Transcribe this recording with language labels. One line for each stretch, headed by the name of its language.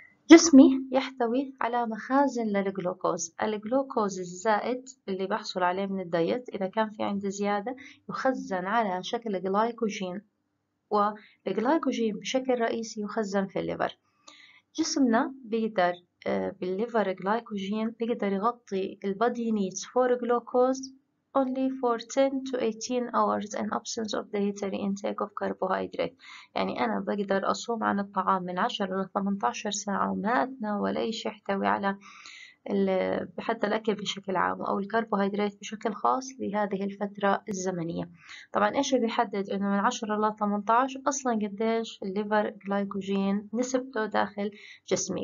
Arabic: جسمي يحتوي على مخازن للجلوكوز. الجلوكوز الزائد اللي بحصل عليه من الدايت إذا كان في عندي زيادة يخزن على شكل جلايكوجين، والجلايكوجين بشكل رئيسي يخزن في الليفر. جسمنا بيقدر بالليفر جلايكوجين بيقدر يغطي
English: البادي needs for glucose only for 10 to 18 hours in absence of dietary intake of carbohydrate.
Arabic: يعني أنا بقدر أصوم عن الطعام من 10 إلى 18 ساعة وما أتناول أي شيء يحتوي على حتى الأكل بشكل عام أو الكربوهيدرات بشكل خاص لهذه الفترة الزمنية. طبعا إيش بيحدد إنه من 10 إلى 18 أصلا قديش الليفر جلايكوجين نسبته داخل جسمي.